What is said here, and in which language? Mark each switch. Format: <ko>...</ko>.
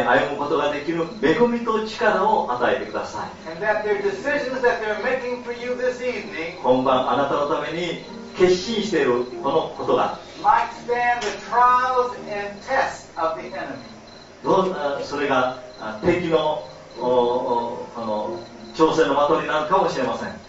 <ja>歩むことができる恵みと力を与えてください。</ja> <en>And that their decisions that they're making for you this evening,</en> <ja>今晩あなたのために決心しているこのことが</ja> <en>might stand the trials and tests of the enemy.</en> <ja>どうそれが敵のこの挑戦の的になるかもしれません。</ja>